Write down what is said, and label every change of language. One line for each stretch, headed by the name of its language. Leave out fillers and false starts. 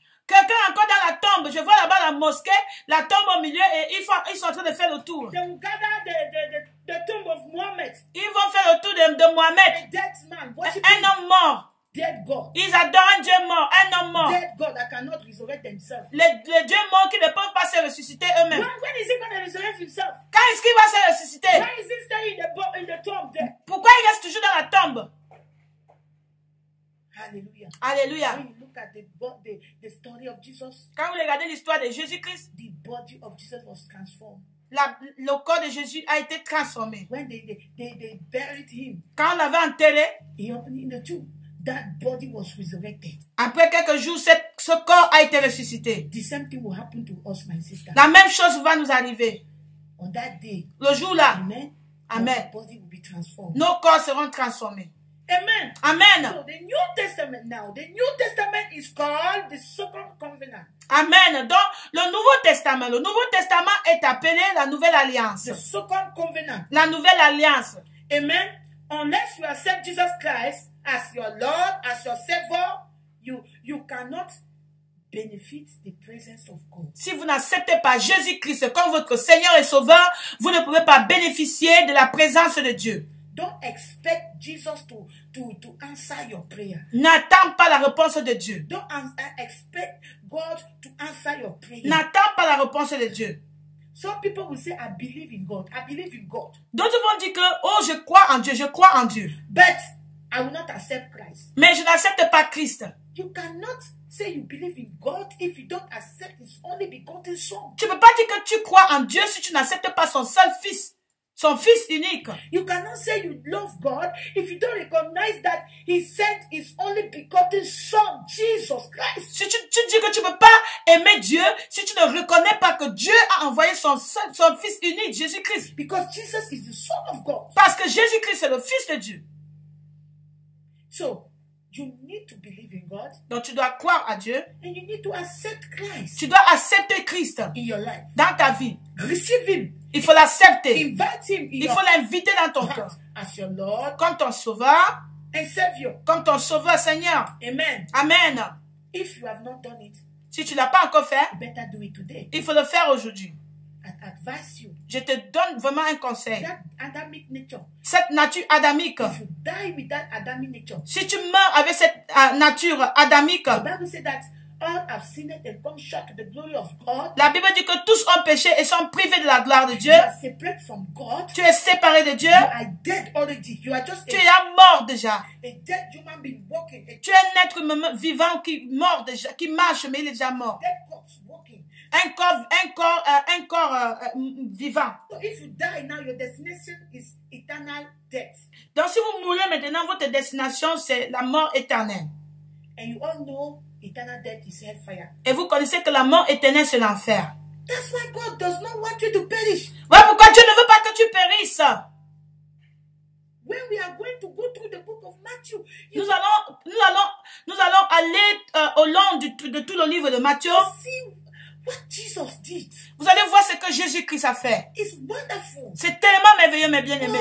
French: Quelqu'un encore dans la tombe. Je vois là-bas la mosquée, la tombe au milieu et ils sont en train de faire le tour.
English: They will gather the tomb of Mohammed.
French: Ils vont faire le tour de Mohammed.
English: A dead man.
French: Un homme mort.
English: Dead God.
French: Ils adorent un dieu mort. Un homme mort.
English: Dead God that cannot resurrect himself.
French: Les dieux morts qui ne peuvent pas se ressusciter eux-mêmes.
English: When is he going to resurrect himself?
French: Quand est-ce qu'il va se ressusciter?
English: Why is he staying in the tomb there?
French: Pourquoi il reste toujours dans la tombe? Hallelujah. Hallelujah.
English: At the story of Jesus.
French: Quand vous regardez l'histoire de Jésus-Christ,
English: the body of Jesus was transformed.
French: le corps de Jésus a été transformé.
English: When they buried him,
French: quand on l'avait enterré,
English: he opened the tomb. That body was resurrected.
French: Après quelques jours, ce corps a été ressuscité.
English: The same thing will happen to us, my sister.
French: La même chose va nous arriver.
English: On that day,
French: le jour là,
English: amen. Our body will be transformed.
French: Nos corps seront transformés. Amen. Amen.
English: So the New Testament now, the New Testament is called the Second Covenant. Amen.
French: Donc le Nouveau Testament est appelé la Nouvelle Alliance.
English: The Second Covenant.
French: La Nouvelle Alliance. Amen.
English: Unless you accept Jesus Christ as your Lord, as your Savior, you cannot benefit the presence of God.
French: Si vous n'acceptez pas Jésus-Christ comme votre Seigneur et Sauveur, vous ne pouvez pas bénéficier de la présence de Dieu.
English: Don't expect Jesus to answer your prayer.
French: N'attends pas la réponse de Dieu.
English: Don't expect God to answer your prayer.
French: N'attends pas la réponse de Dieu.
English: Some people will say, I believe in God. I believe in God.
French: D'autres vont dire que, oh, je crois en Dieu. Je crois en Dieu.
English: But I will not accept Christ.
French: Mais je n'accepte pas Christ.
English: You cannot say you believe in God if you don't accept His only begotten Son.
French: Tu ne peux pas dire que tu crois en Dieu si tu n'acceptes pas son seul Fils. Son Fils unique.
English: You cannot say you love God if you don't recognize that He sent His only begotten Son, Jesus Christ.
French: Si tu dis que tu ne peux pas aimer Dieu si tu ne reconnais pas que Dieu a envoyé son Fils unique, Jésus Christ.
English: Because Jesus is the Son of God.
French: Parce que Jésus Christ est le Fils de Dieu.
English: So, you need to believe in God.
French: Donc tu dois croire à Dieu.
English: And you need to accept Christ.
French: Tu dois accepter Christ.
English: In your life.
French: Dans ta vie.
English: Receive Him.
French: Il faut l'accepter.
English: Invite Him.
French: Il faut l'inviter dans ton cœur.
English: As your Lord.
French: Comme ton Sauveur.
English: And Savior.
French: Comme ton Sauveur, Seigneur. Amen. Amen.
English: If you have not done it.
French: Si tu l'as pas encore fait.
English: You better do it today.
French: Il faut le faire aujourd'hui.
English: Advise you.
French: Je te donne vraiment un conseil.
English: That Adamic nature.
French: Cette nature adamique.
English: If you die with that Adamic nature.
French: Si tu meurs avec cette nature adamique.
English: The Bible says that all have sinned and come short of the glory of God.
French: La Bible dit que tous ont péché et sont privés de la gloire de Dieu.
English: You are separate from God.
French: Tu es séparé de Dieu.
English: You are dead already. You are just
French: tu es mort déjà.
English: A dead human being walking.
French: Tu es un être humain vivant qui mort déjà, qui marche mais il est déjà mort.
English: Dead corpse walking.
French: Un corps vivant.
English: So if you die now, your destination is eternal death.
French: Donc si vous mourrez maintenant, votre destination c'est la mort éternelle.
English: And you all know eternal death is hellfire.
French: Et vous connaissez que la mort éternelle c'est l'enfer.
English: That's why God does not want you to perish.
French: Voilà pourquoi Dieu ne veut pas que tu périsses.
English: When we are going to go through the book of Matthew,
French: nous allons aller au long de tout le livre de Matthieu.
English: What Jesus did.
French: Vous allez voir ce que Jésus-Christ a fait.
English: It's wonderful.
French: C'est tellement merveilleux, mes bien-aimés.